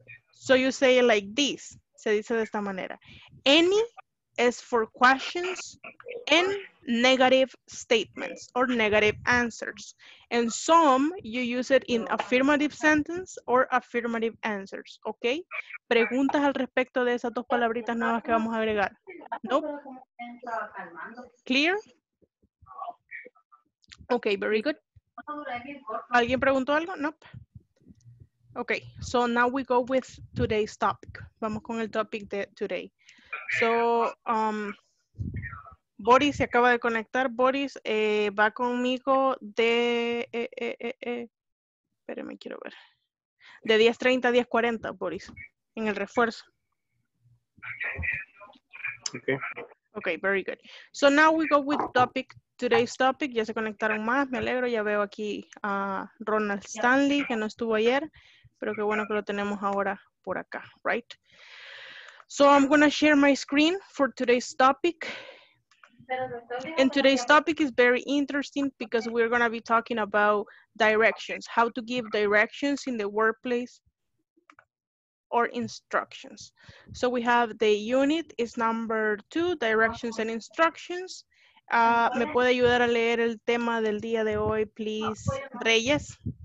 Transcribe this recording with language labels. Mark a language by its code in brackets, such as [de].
[en] So you say it like this. [es] Se dice de esta manera. [en] Any is for questions and negative statements or negative answers. And some, you use it in affirmative sentence or affirmative answers, okay? [es] ¿Preguntas al respecto de esas dos palabritas nuevas que vamos a agregar? [en] Nope. Clear? Okay, very good. [es] ¿Alguien preguntó algo? [en] Nope. Okay, so now we go with today's topic. [es] Vamos con el topic de today. So, Boris se acaba de conectar. Boris va conmigo de, espérame, quiero ver. De 10:30 a 10:40, Boris, en el refuerzo. [en] Okay. Okay, very good. So now we go with topic, today's topic. [es] Ya se conectaron más, me alegro. Ya veo aquí a Ronald Stanley, que no estuvo ayer. Pero qué bueno que lo tenemos ahora por acá, right? [en] So I'm going to share my screen for today's topic. And today's topic is very interesting because we're going to be talking about directions, how to give directions in the workplace or instructions. So we have the unit is number 2, directions and instructions. [es] ¿Me puede ayudar a leer el tema del día de hoy, please, Reyes?